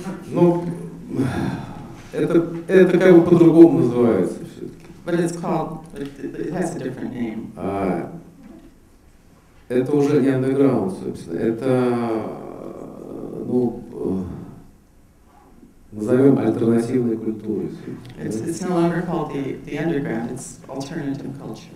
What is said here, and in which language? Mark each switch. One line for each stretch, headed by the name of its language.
Russian: Ну, это как бы по-другому называется все-таки.
English: But it's called, it has a different name.
Russian: А, это уже не underground, собственно. Это, ну, назовем альтернативной культурой.
English: It's no longer called the underground, it's alternative culture.